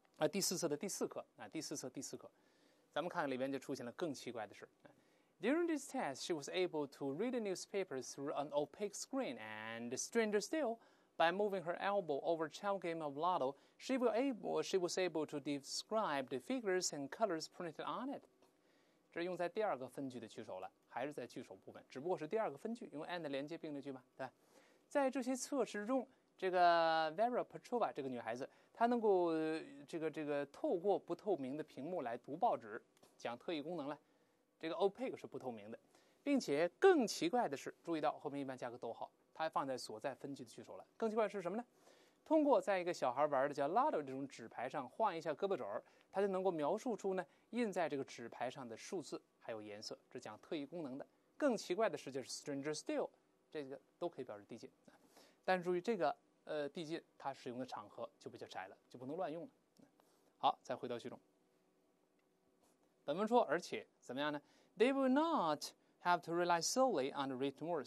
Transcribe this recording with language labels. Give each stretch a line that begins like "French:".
Chinese: 第四册的第四课第四册第四课咱们看看里面就出现了更奇怪的事。
English: During this test, she was able to read a newspaper through an opaque screen, and stranger still, by moving her elbow over a chess game of Lotto, she was able to describe the figures and colors printed on it.
Chinese: 这用在第二个分句的句首了，还是在句首部分，只不过是第二个分句，用 and 连接并列句嘛，对吧？在这些测试中，这个 Vera Petrova 这个女孩子，她能够这个透过不透明的屏幕来读报纸，讲特异功能了。这个 opaque 是不透明的，并且更奇怪的是，注意到后面一般加个逗号，它放在所在分句的句首了。更奇怪是什么呢？通过在一个小孩玩的叫 Lotto 这种纸牌上晃一下胳膊肘，他就能够描述出呢印在这个纸牌上的数字还有颜色，这讲特异功能的。更奇怪的是就是
English: stranger still,
Chinese: 这个都可以表示递进。但注意这个递进它使用的场合就比较窄了，就不能乱用了。好，再回到句中。本文说而且怎么样呢？
English: They will not have to rely solely on the written word.